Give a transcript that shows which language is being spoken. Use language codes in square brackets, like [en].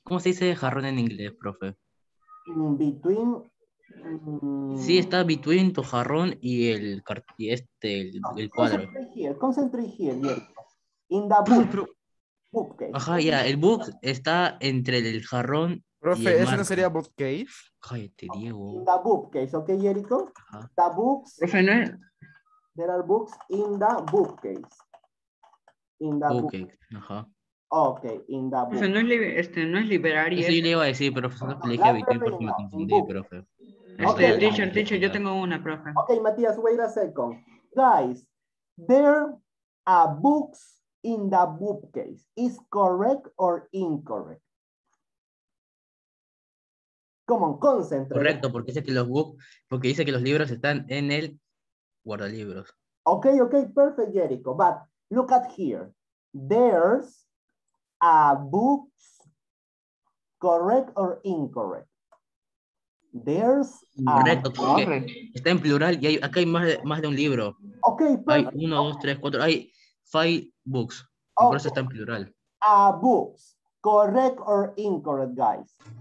[es] ¿Cómo se dice jarrón en inglés, profe? [en] Between. Sí, está between tu jarrón y el cuadro. Concentrate here, concentrate here. In the book. Bookcase. [es] Ajá, ya, el book está entre el jarrón. Profe, ¿eso no sería bookcase? Cállate, Diego. [en] In the bookcase, ¿ok, Jericho? Ajá. The books. [es] Profe, ¿no? [en] There are books in the bookcase. In the bookcase. Bookcase. Ajá. Ok, in the [es] bookcase. Profe, no es library. Eso yo le iba a decir, profe. No, le dije a Vitín, por si me confundí, profe. [en] Okay. Teacher, teacher, [es] yo tengo una, profe. [en] Ok, Matías, wait a second. Guys, there are books in the bookcase. Is correct or incorrect? Come on, concentrate. [es] Correcto, porque dice que los books, porque dice que los libros están en el guardalibros. [en] Ok, ok, perfect, Jericho. But look at here. There's a books, correct or incorrect? There's [es] correcto, a porque correct. Está en plural y hay, acá hay más de un libro. [en] Ok, perfect. [es] Hay uno, okay. Dos, tres, cuatro. Hay five books. Okay. Por eso está en plural. [en] A books, correct or incorrect, guys?